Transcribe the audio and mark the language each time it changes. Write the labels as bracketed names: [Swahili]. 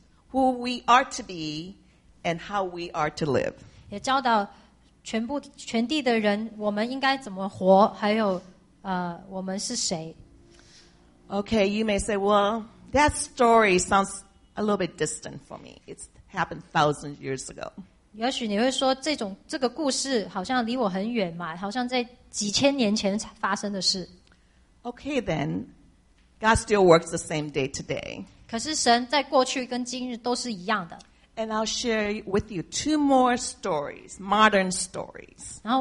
[English] Who we are to be and how we are to live. [Chinese] 也教导全地的人，我们应该怎么活，还有我们是谁。 [English] Okay, you may say, well, that story sounds a little bit distant for me. It's happened thousands of years ago. [Chinese] 也许你会说，这个故事好像离我很远嘛，好像在几千年前发生的事。 [English] Okay, then, God still works the same day today. [Chinese] 可是神在过去跟今日都是一样的。 [English] And I'll share with you two more stories, modern stories.